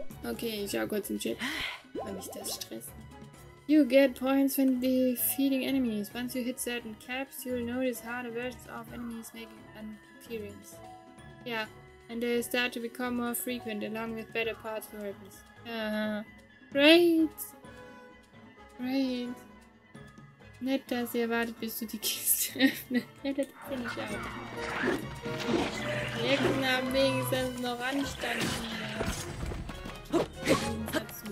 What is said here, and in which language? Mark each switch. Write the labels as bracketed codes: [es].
[de] Okay, ich schau kurz im Chat, wenn ich das stresse. [en] You get points when defeating enemies. Once you hit certain caps, you'll notice how the versions of enemies make an appearance. Yeah, and they start to become more frequent, along with better parts for weapons. Great! Great! [de] Nett, dass ihr wartet, bis du die Kiste öffnet. Ja, das finde ich auch. Die Hexen haben wenigstens noch Anstand. Oh Gott!